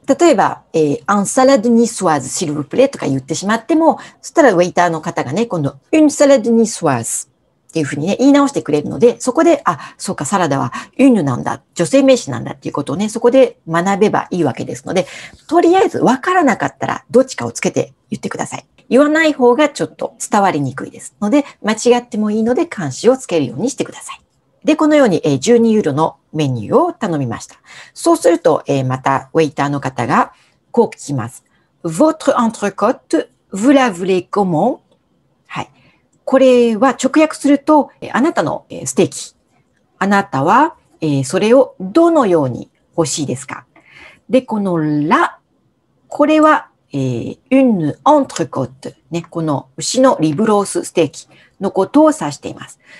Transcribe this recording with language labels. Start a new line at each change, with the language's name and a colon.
Japanese: 例えば、
French: un salade niçoise s'il vous plaît
Japanese: とか言ってしまっても、そしたらウェイターの方がね、今度、
French: un salade niçoise
Japanese: っていうふうにね、言い直してくれるので、そこで、あ、そうか、サラダは un なんだ、女性名詞なんだっていうことをね、そこで学べばいいわけですので、とりあえず分からなかったらどっちかをつけて言ってください。言わない方がちょっと伝わりにくいですので、間違ってもいいので冠詞をつけるようにしてください。で、このように12ユーロのメニューを頼みました。そうすると、またウェイターの方がこう聞きます。
French: Votre entrecôte, vous la voulez comment?
Japanese: はい。これは直訳すると、あなたのステーキ。あなたは、それをどのように欲しいですか? で、このラ、これは、
French: une entrecôte、
Japanese: ね、この牛のリブロースステーキのことを指しています。